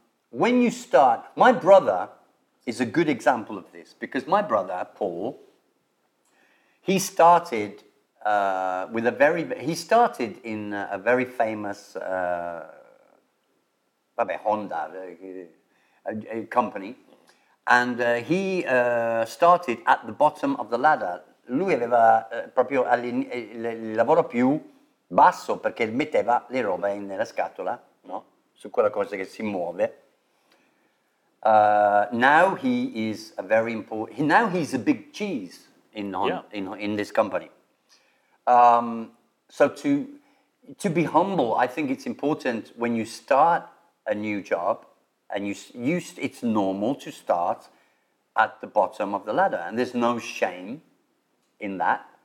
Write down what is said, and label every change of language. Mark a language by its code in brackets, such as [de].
[en] When you start, my brother is a good example of this, because my brother, Paul, he started... He started in a very famous Honda company, and he started at the bottom of the ladder. [it] Lui aveva proprio il lavoro più basso perché metteva le robe nella scatola, no? Su quella cosa che si muove. [en] Now he is a very important. Now he's a big cheese in this company. So to be humble, I think it's important when you start a new job, and it's normal to start at the bottom of the ladder, and there's no shame in that.